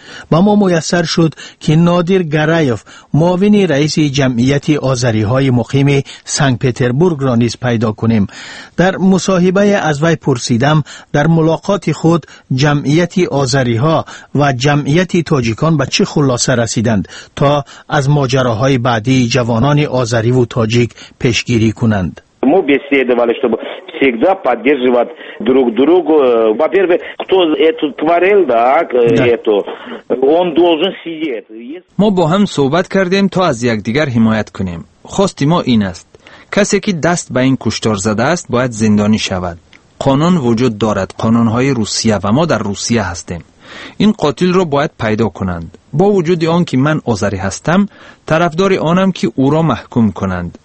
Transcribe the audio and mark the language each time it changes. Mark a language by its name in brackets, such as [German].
[Persian] با ما میسر شد که نادر گرایف معاون رئیس جمعیت آذری های مقیم سن پترزبورگ را نیز پیدا کنیم در مصاحبه از وی پرسیدم در ملاقات خود جمعیت آذری ها و جمعیت تاجیکان به چه خلاصه رسیدند تا از ماجراهای بعدی جوانان آذری و تاجیک پیشگیری کنند [Russian] мы беседовали, чтобы всегда поддерживать друг друга. Во-первых, кто эту творил, да, эту, он должен сидеть. Мы [Persian] با هم صحبت کردیم تا از یکدیگر حمایت کنیم. خواست ما این است. کسی که دست به این کشتار زده است باید زندانی شود. قانون وجود دارد. قانون‌های روسیه و ما در روسیه هستیم. این قاتل را باید پیدا کنند. با وجود آن که من آذری هستم، طرفدار آنم که او را محکوم کنند.